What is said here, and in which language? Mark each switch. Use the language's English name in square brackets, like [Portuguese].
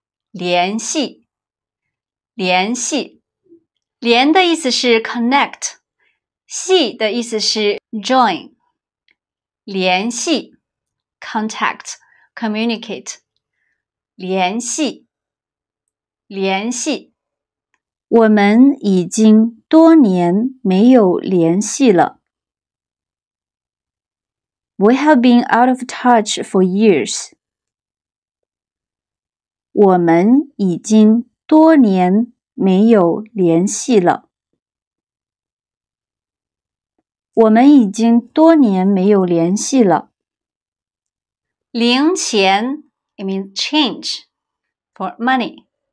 [Chinese] 联系，联系，联的意思是 connect, 系的意思是 join. 联系 ，contact, communicate. 联系，联系，我们已经多年没有联系了。 [English] We have been out of touch for years. [Chinese] 我们已经多年没有联系了。我们已经多年没有联系了。 [English] 零钱 ，I mean change for money.